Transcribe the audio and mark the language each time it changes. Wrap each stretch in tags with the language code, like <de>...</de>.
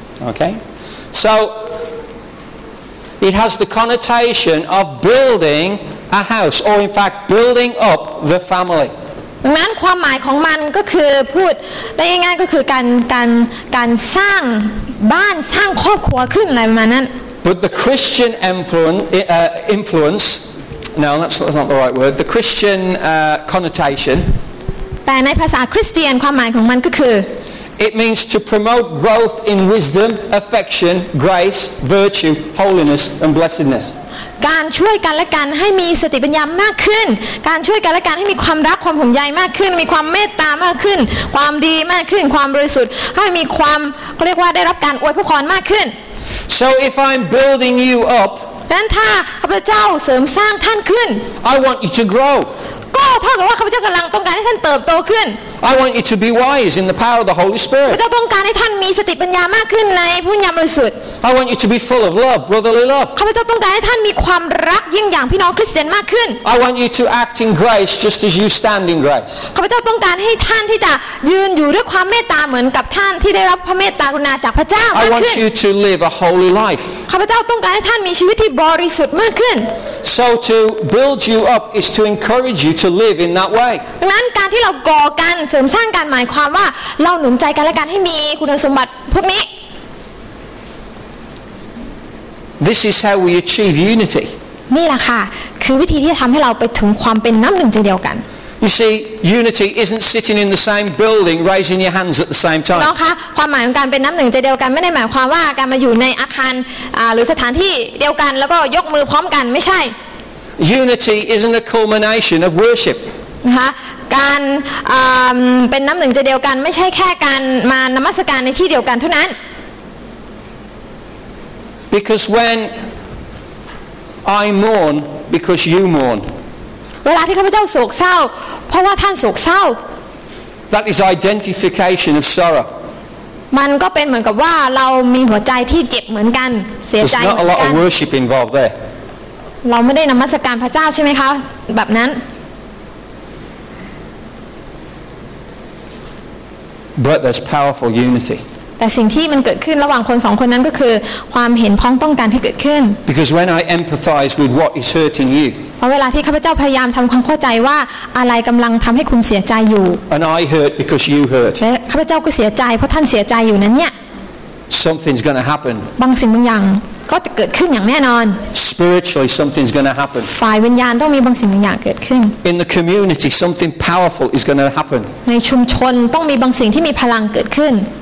<en>Okay. So it has the connotation of building. A house, or in fact, building up the family.</en> <th>ดังนั้นความหมายของมันก็คือพูดได้ง่ายๆก็คือการสร้างบ้านสร้างครอบครัวขึ้นอะไรประมาณนั้น</th> <en>But the Christian influence, no, that's not the right word. The Christian connotation.</en> <th>แต่ในภาษาคริสเตียนความหมายของมันก็คือ</th> <en>It means to promote growth in wisdom, affection, grace, virtue, holiness, and blessedness.</en> <th>การช่วยกันและกันให้มีสติปัญญามากขึ้นการช่วยกันและกันให้มีความรักความห่วงใยมากขึ้นมีความเมตตามากขึ้นความดีมากขึ้นความบริสุทธิ์ให้มีความเขาเรียกว่าได้รับการอวยพรมากขึ้น</th> <en>So if I'm building you up</en> <th>ดังนั้นถ้าข้าพเจ้าเสริมสร้างท่านขึ้น</th> <en>I want you to grow</en> <th>ก็เท่ากับว่าข้าพเจ้ากำลังต้องการให้ท่านเติบโตขึ้น</th> <en>I want you to be wise in the power of the Holy Spirit</en> <th>ข้าพเจ้าต้องการให้ท่านมีสติปัญญามากขึ้นในพระวิญญาณบริสุทธิ์</th> <en>I want you to be full of love, brotherly love.</en> <th>ข้าพเจ้าต้องการให้ท่านมีความรักยิ่งอย่างพี่น้องคริสเตียนมากขึ้น</th> <en>I want you to act in grace just as you stand in grace.</en> <th>ข้าพเจ้าต้องการให้ท่านที่จะยืนอยู่ด้วยความเมตตาเหมือนกับท่านที่ได้รับพระเมตตากรุณาจากพระเจ้ามากขึ้น</th> <en>I want you to live a holy life.</en> <th>ข้าพเจ้าต้องการให้ท่านมีชีวิตที่บริสุทธิ์มากขึ้น</th> <en>So to build you up is to encourage you to live in that way.</en> <th>ดังนั้นการที่เราก่อกันเสริมสร้างกันหมายความว่าเราหนุนใจกันและกันให้มีคุณสมบัติพวกนี้</th> <en>This is how we achieve unity.</en> <th>นี่แหละค่ะคือวิธีที่จะทำให้เราไปถึงความเป็นน้ำหนึ่งใจเดียวกัน</th> <en>You see, unity isn't sitting in the same building, raising your hands at the same time.</en> <th>น้องคะความหมายของการเป็นน้ำหนึ่งใจเดียวกันไม่ได้หมายความว่าการมาอยู่ในอาคารหรือสถานที่เดียวกันแล้วก็ยกมือพร้อมกันไม่ใช่</th> <en>Unity isn't a culmination of worship.</en> <th>นะคะการเป็นน้ำหนึ่งใจเดียวกันไม่ใช่แค่การมานมัสการในที่เดียวกันเท่านั้น</th> <en>Because when I mourn, because you mourn.</en> <th>เวลาที่ข้าพเจ้าโศกเศร้าเพราะว่าท่านโศกเศร้า</th> <en>That is identification of sorrow.</en> <th>มันก็เป็นเหมือนกับว่าเรามีหัวใจที่เจ็บเหมือนกันเสียใจกัน</th> <en>There's not a lot of worship involved there.</en> <th>เราไม่ได้นมัสการพระเจ้าใช่ไหมคะแบบนั้น</th> <en>But there's powerful unity.</en> <th>แต่สิ่งที่มันเกิดขึ้นระหว่างคนสองคนนั้นก็คือความเห็นพ้องต้องการที่เกิดขึ้น</th> <en>Because when I empathize with what is hurting you</en> <th>เพราะเวลาที่ข้าพเจ้าพยายามทำความเข้าใจว่าอะไรกำลังทำให้คุณเสียใจอยู่</th> <en>And I hurt because you hurt</en> <th>และข้าพเจ้าก็เสียใจเพราะท่านเสียใจอยู่นั้นเนี่ย</th> <en>Something's going to happen</en> <th>บางสิ่งบางอย่างก็จะเกิดขึ้นอย่างแน่นอน</th> <en>Spiritually something's going to happen</en> <th>ฝ่ายวิญญาณต้องมีบางสิ่งบางอย่างเกิดขึ้น</th> <en>In the community something powerful is going to happen</en> <th>ในชุมชนต้องมีบางสิ่งที่มีพลังเกิดขึ้น</th>